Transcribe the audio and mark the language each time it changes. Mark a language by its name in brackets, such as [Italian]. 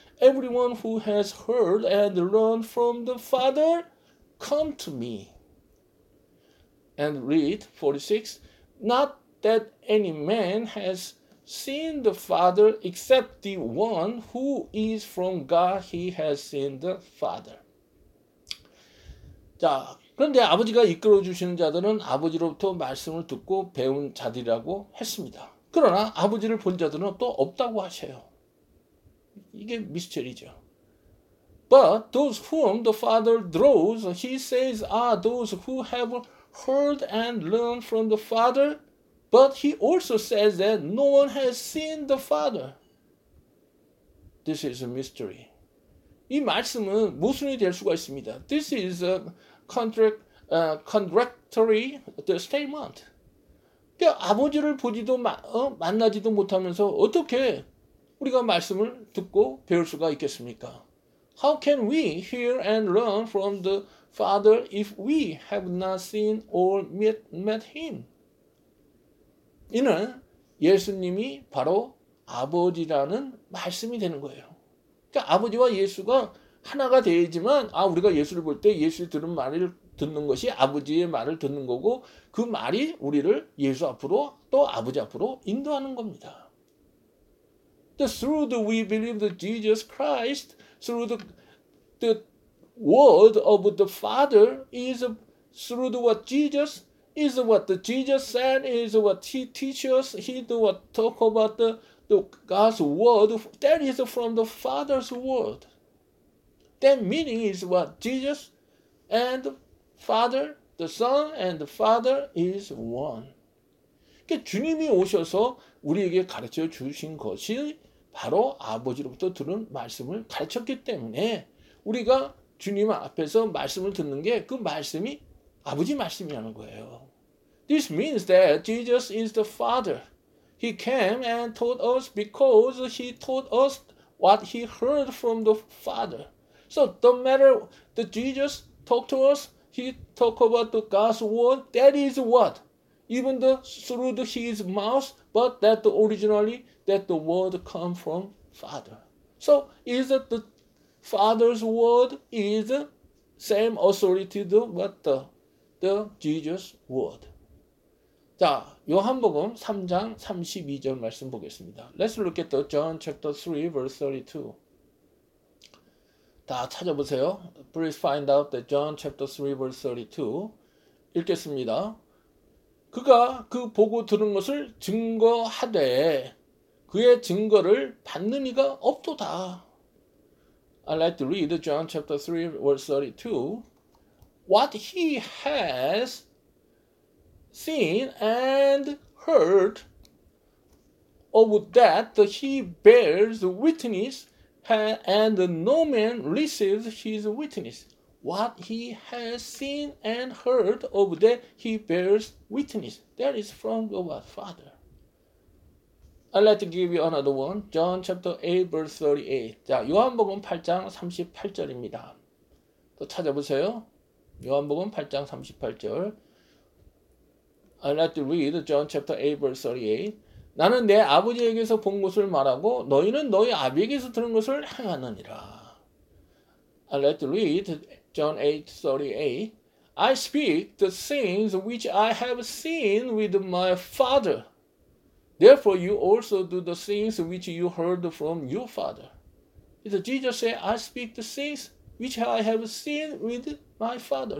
[English] Everyone who has heard and learned from the Father, come to me. And read 46. Not that any man has seen the Father except the one who is from God, he has seen the Father. [Korean] 자, 그런데 아버지가 이끌어 주시는 자들은 아버지로부터 말씀을 듣고 배운 자들이라고 했습니다. 그러나 아버지를 본 자들은 또 없다고 하세요. 이게 미스터리죠. [English] But those whom the Father draws, he says, are those who have heard and learned from the Father. But he also says that no one has seen the Father. This is a mystery. [Korean] 이 말씀은 모순이 될 수가 있습니다. [English] This is a contradictory statement. [Korean] 그러니까 아버지를 보지도 만나지도 못하면서 어떻게 우리가 말씀을 듣고 배울 수가 있겠습니까? [English] How can we hear and learn from the Father if we have not seen or met him? [Korean] 이는 예수님이 바로 아버지라는 말씀이 되는 거예요. 그러니까 아버지와 예수가 하나가 되지만 아 우리가 예수를 볼 때 예수의 들은 말을 듣는 것이 아버지의 말을 듣는 거고 그 말이 우리를 예수 앞으로 또 아버지 앞으로 인도하는 겁니다. [English] The through the we believe the Jesus Christ through the word of the Father is through the what Jesus is what the Jesus said is what he teaches he do what talk about the God's word that is from the Father's word. That meaning is what Jesus and Father, the Son and the Father is one. [Korean] 그러니까 주님이 오셔서 우리에게 가르쳐 주신 것이 바로 아버지로부터 들은 말씀을 가르쳤기 때문에 우리가 주님 앞에서 말씀을 듣는 게 그 말씀이 아버지 말씀이라는 거예요. [English] This means that Jesus is the Father. He came and taught us because he taught us what he heard from the Father. So no matter the Jesus talked to us, he talked about the God's word, that is what? Even the, through the, his mouth, but that the, originally that the word come from Father. So is it the Father's word is the same authority to what the Jesus word? [Korean] 자, 요한복음 3장 32절 말씀 보겠습니다. [English] Let's look at the John chapter 3 verse 32. [Korean] 다 찾아보세요. [English] Please find out that John chapter 3 verse 32. [Korean] 읽겠습니다. 그가 그 보고 들은 것을 증거하되 그의 증거를 받는 이가 없도다. [English] I'd like to read John chapter 3 verse 32. What he has seen and heard of that he bears witness and no man receives his witness. What he has seen and heard of that he bears witness. That is from God's Father. I'd like to give you another one. John chapter 8 verse 38. [Korean] 자, 요한복음 8장 38절입니다. 또 찾아보세요. 요한복음 8장 38절. [English] I'd like to read John chapter 8 verse 38. [Korean] 나는 내 아버지에게서 본 것을 말하고 너희는 너희 아비에게서 들은 것을 행하느니라. [English] I'd like to read John 8:38. I speak the things which I have seen with my Father. Therefore you also do the things which you heard from your Father. Jesus said, I speak the things which I have seen with my Father.